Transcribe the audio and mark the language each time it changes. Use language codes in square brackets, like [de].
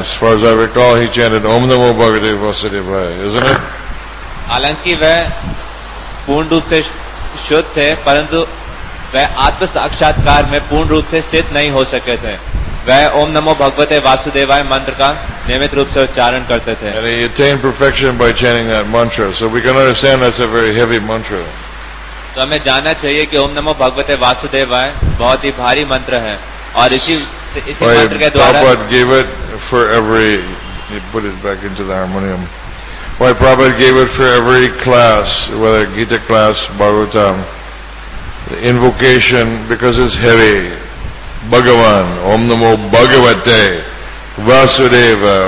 [en] As far as I recall, he chanted Om Namo Bhagavate Vasudevaya, isn't it? [hi] हालांकि वह पूर्ण रूप से शुद्ध थे परंतु वह आत्म साक्षात्कार में पूर्ण रूप से सिद्ध नहीं हो सके थे. वह ओम नमो भगवते वासुदेवाय मंत्र का नियमित रूप से उच्चारण करते थे. [en] And he attained perfection by chanting that mantra. So we can understand that's a very heavy mantra. [hi] तो हमें जानना चाहिए कि ओम नमो भगवते वासुदेवाय बहुत ही भारी मंत्र है और इसी मंत्र के द्वारा [en] Prabhupada gave it for every, he put it back into the harmonium. Why Prabhupada gave it for every class, whether Gita class, Bhagavatam, the invocation, because it's heavy. Bhagavan, Om Namo Bhagavate, Vasudeva.